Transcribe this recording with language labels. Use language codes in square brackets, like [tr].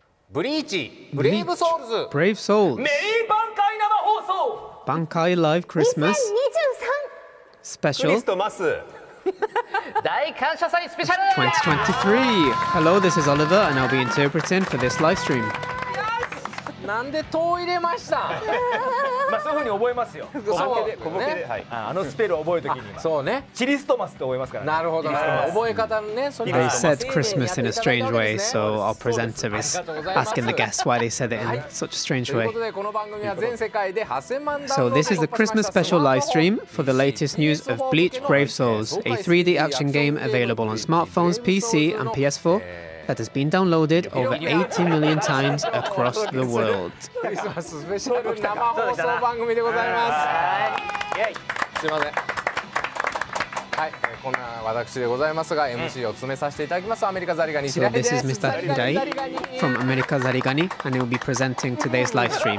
[ja] ブリーチブレイブソウルズブレイブソウルズメイン挽回生放送挽回ライブクリスマス 2023 スペシャルクリストマス大感謝祭スペシャル [en] 2023 Hello, this is Oliver and I'll be interpreting for this live stream [ja] なんで灯入れましたまあそういう風に覚えますよ小ボケで、小ボケで、はい、あのスペルを覚える時にそうねチリストマスって覚えますからねなるほど、ね、覚え方のね [en] They said Christmas in a strange way So our presenter is asking the guests why they said it in such a strange way [ja] ということでこの番組は全世界で8000万ダウンロード [en] So this is the Christmas special live stream for the latest news of Bleach Brave Souls A 3D action game available on smartphones, PC and PS4That has been downloaded over 80 million times across the world. [ja] クリスマススペシャル生放送番組でございます。すいません。はい、こんな私でございますが、MC を務めさせていただきますアメリカザリガニ。 [en] So this is Mr. Hirai from America Zarigani, and he will be presenting today's live stream.